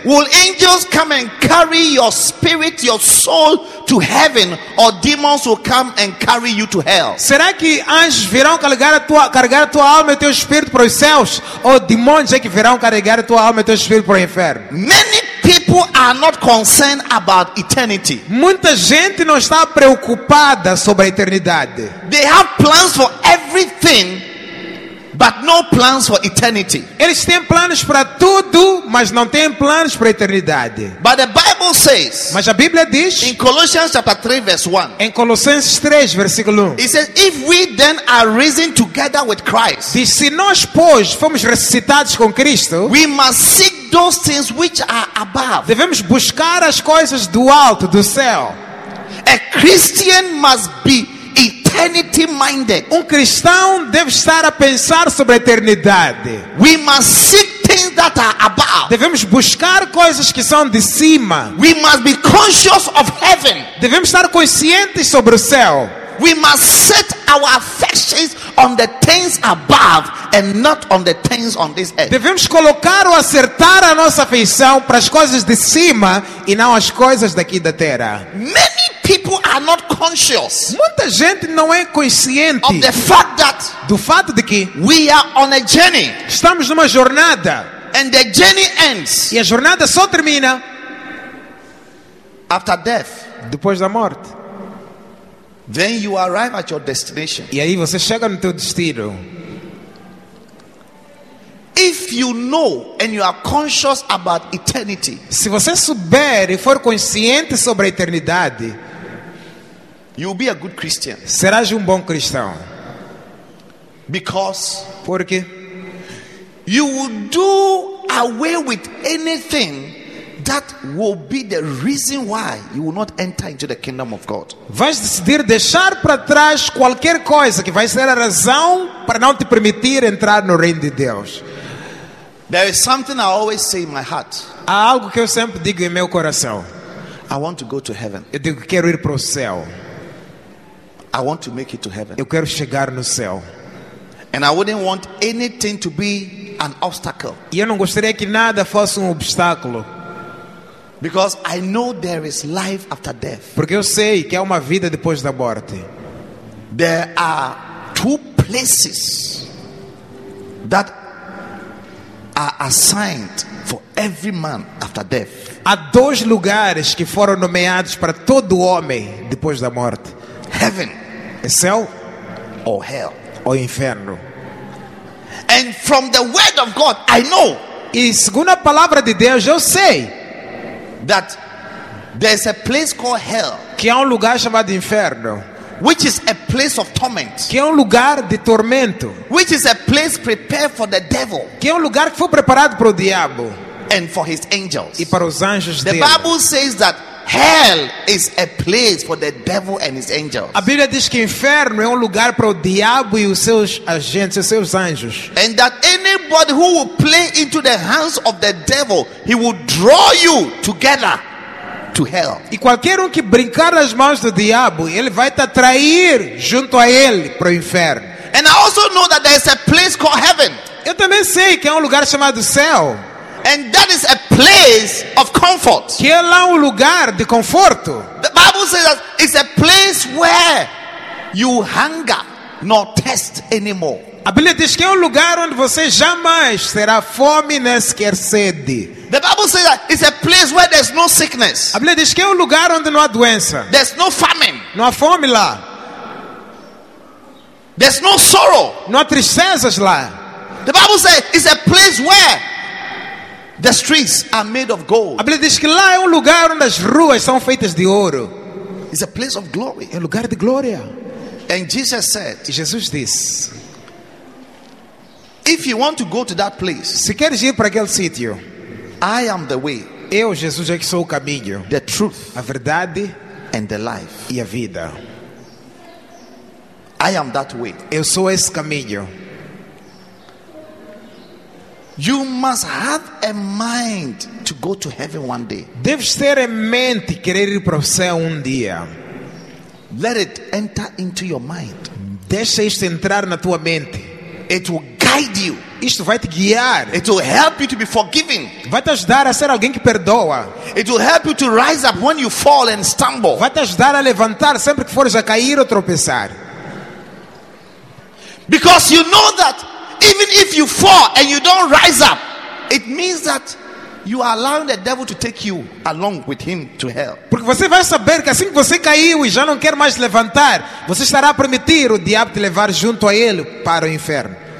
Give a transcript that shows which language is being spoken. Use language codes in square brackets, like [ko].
[en] Will angels come and carry your spirit, your soul to heaven, or demons will come and carry you to hell? [pt] Será que anjos virão carregar a tua alma e teu espírito para os céus, ou demônios é que virão carregar a tua alma e teu espírito para o inferno? [en] Many people are not concerned about eternity. [pt] Muita gente não está preocupada sobre a eternidade. [en] They have plans for everything, but no plans for eternity. [pt] Eles têm planos para tudo, mas não têm planos para a eternidade. [en] But the Bible says. [pt] Mas a Bíblia diz. [en] In Colossians chapter 3 verse 1. [pt] Em Colossenses 3 versículo 1. [en] It says, if we then are risen together with Christ. [pt] Diz, se nós pois fomos ressuscitados com Cristo. [en] We must seek those things which are above. [pt] Devemos buscar as coisas do alto, do céu. [en] A Christian must be eternity minded. [pt] Um cristão deve estar a pensar sobre a eternidade. [en] We must seek things that are above. [pt] Devemos buscar coisas que são de cima. [en] We must be conscious of heaven. [pt] Devemos estar conscientes sobre o céu. [en] We must set our affections on the things above and not on the things on this earth. [pt] Devemos colocar ou acertar a nossa afeição para as coisas de cima e não as coisas daqui da terra. [en] Many people are not conscious. [pt] Muita gente não é consciente [en] of the fact that [pt] do fato de que [en] we are on a journey. [pt] Estamos numa jornada. [en] And the journey ends. [pt] E a jornada só termina [en] after death. [pt] Depois da morte. [en] Then you arrive at your destination. [pt] E aí você chega no teu destino. [en] If you know and you are conscious about eternity. [pt] Se você souber e for consciente sobre a eternidade, [en] you'll be a good Christian. [pt] Serás um bom cristão. [en] Because [pt] porque [en] you will do away with anything that will be the reason why you will not enter into the kingdom of God. [pt] Vais decidir deixar para trás qualquer coisa que vai ser a razão para não te permitir entrar no reino de Deus. [en] There is something I always say in my heart. [pt] Há algo que eu sempre digo em meu coração. [en] I want to go to heaven. [pt] Eu digo, quero ir para o céu. [en] I want to make it to heaven. [pt] Eu quero chegar no céu. [en] And I wouldn't want anything to be an obstacle. [pt] E eu não gostaria que nada fosse obstáculo. [en] Because I know there is life after death. [pt] Porque eu sei que há uma vida depois da morte. [en] There are two places that are assigned for every man after death. [pt] Há dois lugares que foram nomeados para todo homem depois da morte. [en] Heaven, [pt] o céu, [en] or hell, [pt] o inferno. [en] And from the word of God, I know. [pt] E segundo a palavra de Deus, eu sei. [en] That there's a place called hell, [pt] que é lugar chamado inferno, [en] which is a place of torment, [pt] que é lugar de tormento, [en] which is a place prepared for the devil, [pt] que é lugar que foi preparado para o diabo, [en] and for his angels, [pt] e para os anjos dele. [en] The Bible says that hell is a place for the devil and his angels. [pt] A Bíblia diz que inferno é lugar para o diabo e os seus agentes, os seus anjos. [en] And that anybody who will play into the hands of the devil, he will draw you together to hell. [pt] E qualquer que brincar nas mãos do diabo, ele vai te atrair junto a ele para o inferno. [en] And I also know that there is a place called heaven. [pt] Eu também sei que há lugar chamado céu. [en] And that is a place of comfort. [pt] Que é lá lugar de conforto. [en] The Bible says that it's a place where you hunger nor thirst anymore. [pt] A Bíblia diz que é lugar onde você jamais terá fome nem sequer sede. [en] The Bible says that it's a place where there's no sickness. [pt] A Bíblia diz que é lugar onde não há doença. [en] There's no famine. [pt] Não há fome lá. [en] There's no sorrow. [pt] Não há tristezas lá. [en] The Bible says it's a place where the streets are made of gold. [pt] A Bíblia diz que lá é lugar onde as ruas são feitas de ouro. [en] It's a place of glory. [pt] É lugar de glória. [en] And Jesus said. [pt] E Jesus disse. [en] If you want to go to that place. [pt] Se queres ir para aquele sítio. [en] I am the way. [pt] Eu, Jesus, é que sou o caminho. [en] The truth. [pt] A verdade. [en] And the life. [pt] E a vida. [en] I am that way. [pt] Eu sou esse caminho. [en] You must have a mind to go to heaven one day. [pt] Deves ter em mente querer ir para o céu dia. [en] Let it enter into your mind. [pt] Deixa isto entrar na tua mente. [en] It will guide you. [pt] Isto vai te guiar. [en] It will help you to be forgiving. [pt] Vai te ajudar a ser alguém que perdoa. [en] It will help you to rise up when you fall and stumble. [pt] Vai te ajudar a levantar sempre que fores a cair ou tropeçar. [en] Because you know that even if you fall and you don't rise up, it means that you are allowing the devil to take you along with him to hell. [pt] Porque você vai saber que assim que você caiu e já não quer mais levantar, você estará a permitir o diabo te levar junto a ele para o inferno.